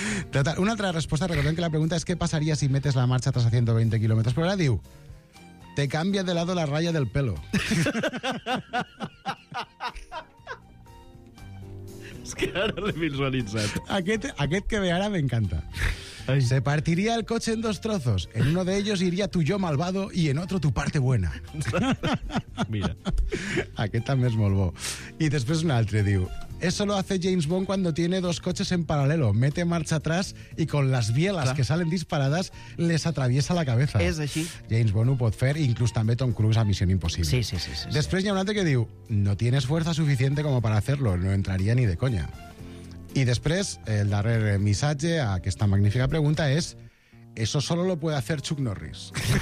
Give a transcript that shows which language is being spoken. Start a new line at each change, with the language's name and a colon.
Catalan: Total, una altra resposta, recordem que la pregunta és què passaria si metes la marxa atrás a 120 km, però ara diu,
Spanish: te canvia de lado la raya del pelo.
Catalan: És que ara l'he visualitzat. Aquest que ve ara m'encanta.
Spanish: Se partiria el cotxe en dos trozos. En uno de ellos iría tu yo malvado y en otro tu parte buena.
Catalan: Mira. Aquest també és molt bo. I després un altre diu...
Spanish: Eso lo hace James Bond cuando tiene dos coches en paralelo. Mete marcha atrás y con las bielas que salen disparadas les atraviesa la cabeza.
Catalan: És així. James Bond ho pot fer, inclús també Tom Cruise a Misión Imposible. Sí. Després hi ha un altre que diu...
Spanish: No tienes fuerza suficiente como para hacerlo. No entraría ni de coña.
Catalan: I després, el darrer missatge a aquesta magnífica pregunta és...
Spanish: Eso solo lo puede hacer Chuck Norris.